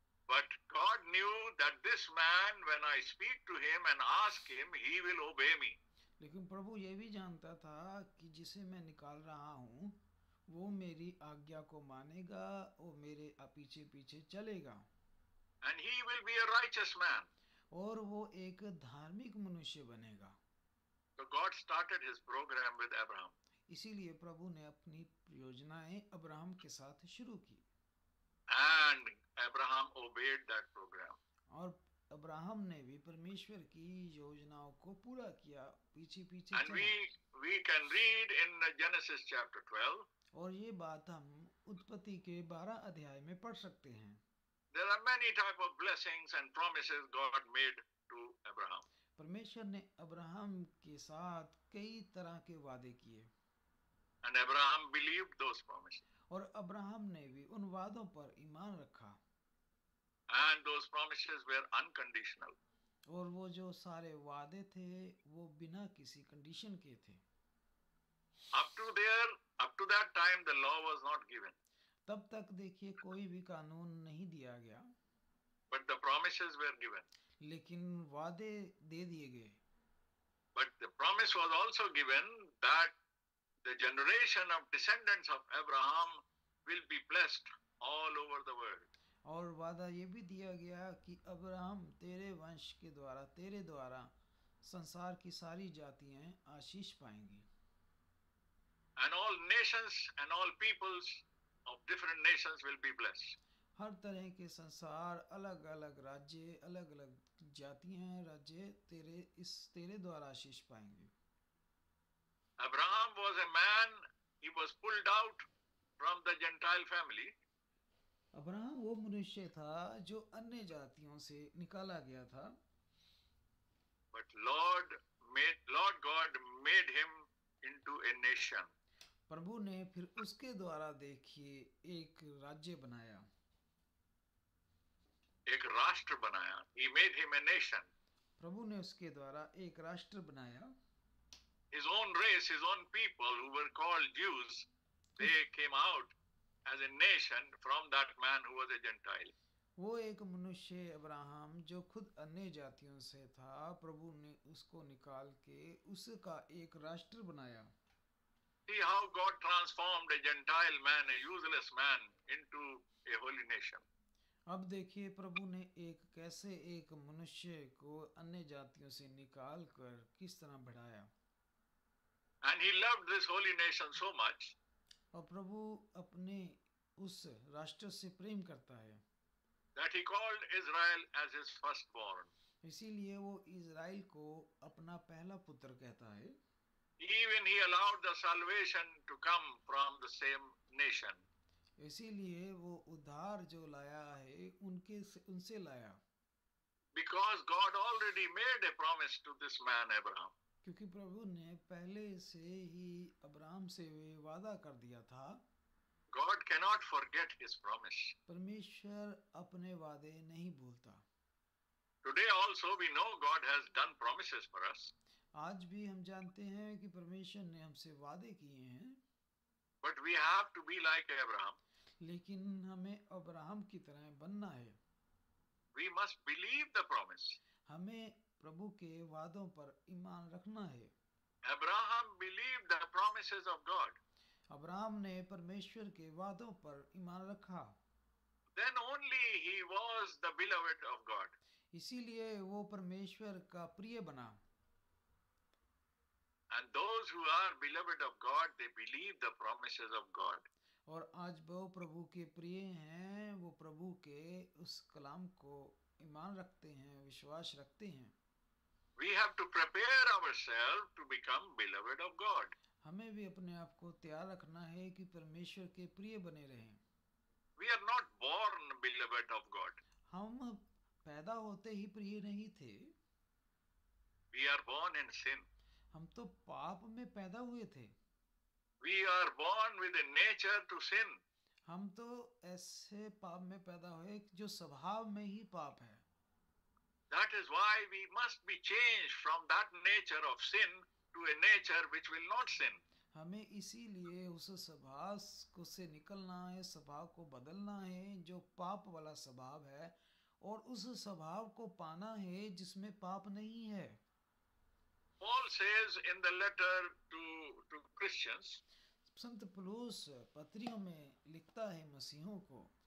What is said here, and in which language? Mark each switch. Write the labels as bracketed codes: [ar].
[en] But God knew that this man, when I speak to him and ask him, he will obey me. [hi] लेकिन प्रभु ये भी जानता था कि जिसे मैं निकाल रहा हूँ, वो मेरी आज्ञा को मानेगा और मेरे पीछे पीछे चलेगा. [en] And he will be a righteous man. [hi] और वो एक धार्मिक मनुष्य बनेगा. [en] So God started his program with Abraham. [hi] इसीलिए प्रभु ने अपनी योजनाएं अब्राहम के साथ शुरू की. [en] And Abraham obeyed that program. [hi] और अब्राहम ने भी परमेश्वर की योजनाओं को पूरा किया पीछे पीछे. [en] And we can read in Genesis chapter 12. [hi] और ये बात हम उत्पत्ति के 12 अध्याय में पढ़ सकते हैं. [en] There are many type of blessings and promises God made to Abraham. [hi] परमेश्वर ने अब्राहम के साथ कई तरह के वादे किए. [en] And Abraham believed those promises. [hi] और अब्राहम ने भी उन वादों पर ईमान रखा. [en] And those promises were unconditional. [hi] और वो जो सारे वादे थे वो बिना किसी कंडीशन के थे. [en] Up to that time the law was not given. [hi] तब तक देखिए कोई भी कानून नहीं दिया गया. [en] But the promises were given. [hi] लेकिन वादे दे दिए गए. [en] But the promise was also given that the generation of descendants of Abraham will be blessed all over the world. [hi] और वादा ये भी दिया गया कि अब्राहम तेरे वंश के द्वारा तेरे द्वारा संसार की सारी जातियां आशीष पाएंगी. [en] And all nations and all peoples of different nations will be blessed. [hi] हर तरह के संसार अलग अलग राज्य अलग अलग जातियां राज्य तेरे द्वारा आशीष पाएंगे. [en] Abraham was a man, he was pulled out from the Gentile family. [hi] Abraham वो मनुष्य था जो अन्य जातियों से निकाला गया था. [en] But Lord God made him into a nation. [hi] प्रभु ने फिर उसके द्वारा देखिए एक राज्य बनाया. एक राष्ट्र बनाया. [en] He made him a nation. [hi] प्रभु ने उसके द्वारा एक राष्ट्र बनाया. [en] His own race, his own people who were called Jews, they came out as a nation from that man who was a Gentile. [hi] वो एक मनुष्य अब्राहम जो खुद अन्य जातियों से था प्रभु ने उसको निकाल के उसका एक राष्ट्र बनाया. [en] See how God transformed a Gentile man, a useless man, into a holy nation. [hi] अब देखिए प्रभु ने एक कैसे एक मनुष्य को अन्य जातियों से निकाल कर किस तरह बढ़ाया. [en] And he loved this holy nation so much. [hi] और प्रभु अपने उस राष्ट्र से प्रेम करता है. [en] That he called Israel as his firstborn. [hi] इसीलिए वो इज़राइल को अपना पहला पुत्र कहता है. [en] Even he allowed the salvation to come from the same nation. [hi] इसीलिए वो उद्धार जो लाया है उनके उनसे लाया. [en] Because God already made a promise to this man Abraham. [hi] क्योंकि प्रभु ने पहले से ही अब्राहम से वादा कर दिया था. [en] God cannot forget his promise. [hi] परमेश्वर अपने वादे नहीं भूलता. [en] Today also we know God has done promises for us. [hi] आज भी हम जानते हैं कि परमेश्वर ने हमसे वादे किए हैं. [en] But we have to be like Abraham. [hi] लेकिन हमें अब्राहम की तरह बनना है. [en] We must believe the promise. [hi] हमें प्रभु के वादों पर ईमान रखना है. [en] Abraham believed the promises of God. [hi] Abraham ने परमेश्वर के वादों पर ईमान रखा. [en] Then only he was the beloved of God. [hi] इसीलिए वो परमेश्वर का प्रिय बना. [en] And those who are beloved of God, they believe the promises of God. [hi] और आज वो प्रभु के प्रिय हैं, वो प्रभु के उस कलाम को ईमान रखते हैं, विश्वास रखते हैं. [en] We have to prepare ourselves to become beloved of God. [hi] हमें भी अपने आप को तैयार रखना है कि परमेश्वर के प्रिय बने रहें. [en] We are not born beloved of God. [hi] हम पैदा होते ही प्रिय नहीं थे. [en] We are born in sin. [hi] हम तो पाप में पैदा हुए थे. [en] We are born with a nature to sin. [hi] हम तो ऐसे पाप में पैदा हुए जो स्वभाव में ही पाप है. [en] That is why we must be changed from that nature of sin to a nature which will not sin. [hi] हमें इसीलिए उस स्वभाव को से निकलना है, स्वभाव को बदलना है जो पाप वाला स्वभाव है, और उस स्वभाव को पाना है जिसमें पाप नहीं है. [en] Paul says in the letter to Christians. [hi] संत पौलुस पत्रियों में लिखता है मसीहों को.